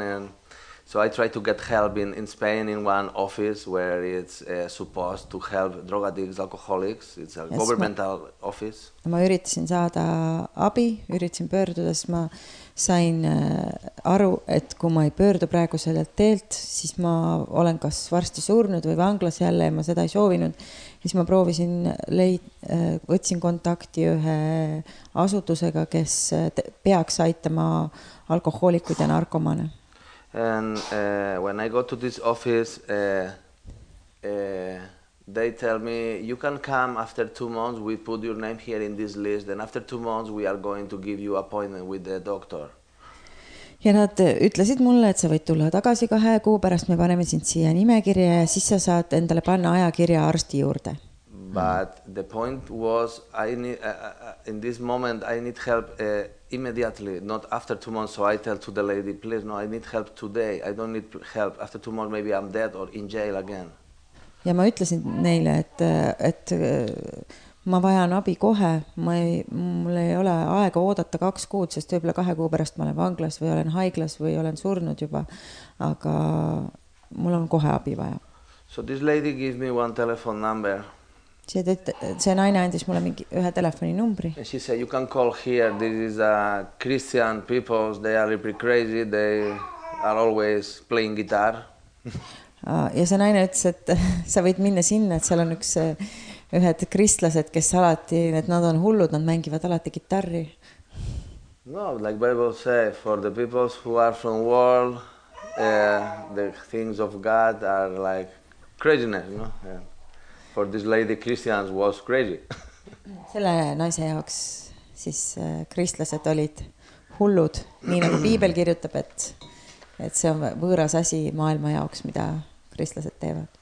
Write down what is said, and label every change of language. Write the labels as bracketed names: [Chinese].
[English] And so I tried to get help in Spain in one office where it's supposed to help drug addicts, alcoholics. It's a governmental office. [Estonian] Ma üritasin saada abi, üritasin pöörduda, sest ma sain aru, et kui ma ei pöördu praegu sellelt teelt, siis ma olen kas varsti surnud või vanglas jälle ja ma seda ei soovinud. Siis ma proovisin võtsin kontakti ühe asutusega, kes peaks aitama alkoholikud ja narkomane. [English] And when I go to this office, they tell me, you can come after 2 months, we put your name here in this list, and after 2 months we are going to give you appointment with the doctor. [Estonian] Ja nad ütlesid mulle, et sa võid tulla tagasi kahe kuu, pärast me paneme sind siia nimekirja ja siis sa saad endale panna ajakirja arsti juurde. [English] But the point was, in this moment I need help immediately, not after 2 months, so I tell to the lady, please, no, I need help today, I don't need help, after 2 months maybe I'm dead or in jail again. [Estonian] Ja ma ütlesin neile, et ma vajan abi kohe, mul ei ole aega oodata 2 kuud, sest võibolla 2 kuu pärast ma olen vanglas või olen haiglas või olen surnud juba, aga mul on kohe abi vaja. [English] So this lady gave me one telephone number. [Estonian] See naine andis mulle mingi ühe telefoni numbri. [English] And she said, you can call here, this is Christian people, they are pretty crazy, they are always playing guitar. [Estonian] Ja see naine ütles, et sa võid minna sinna, et seal on üks ühed kristlased, kes alati, et nad on hullud, nad mängivad alati gitarri. [English] No, like Bible say, for the people who are from world, the things of God are like craziness, no? Yeah. For this lady, Christians was crazy. [Estonian] Selle naise jaoks siis kristlased olid hullud, nii nagu Piibel kirjutab, et see on võõras asi maailma jaoks, mida kristlased teevad.